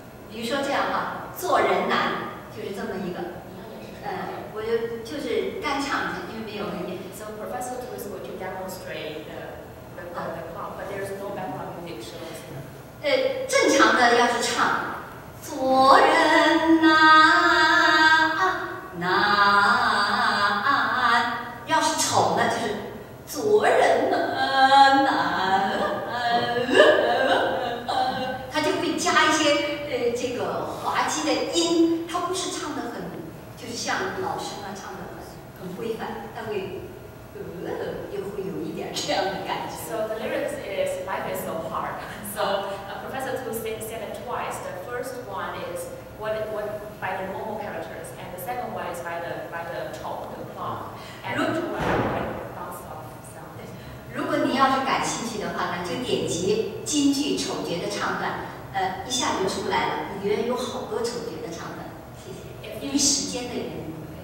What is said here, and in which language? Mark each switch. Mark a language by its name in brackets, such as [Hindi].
[Chinese] 比如说这样哈，做人难就是这么一个。我就是干唱的，因为没有那个。 [English] So Professor Tu is going to demonstrate the clown, but there's no background music shows. [Chinese] 正常的要是唱。做人难，要是丑呢，就是做人难，他就会加一些这个滑稽的音，他不是唱得很，就是像老师呢唱得很规范，他会又会有一点这样的感觉。 [English] So the lyrics is life is so hard. So Professor Tu said it twice. The first one is what by the normal characters, and the second one is by the chou, the clown. And the two are quite bounce off sound. [Chinese] 如果你要是感兴趣的话呢，就点击京剧丑角的唱段，一下就出来了。里面有好多丑角的唱段，谢谢。因为时间的原因。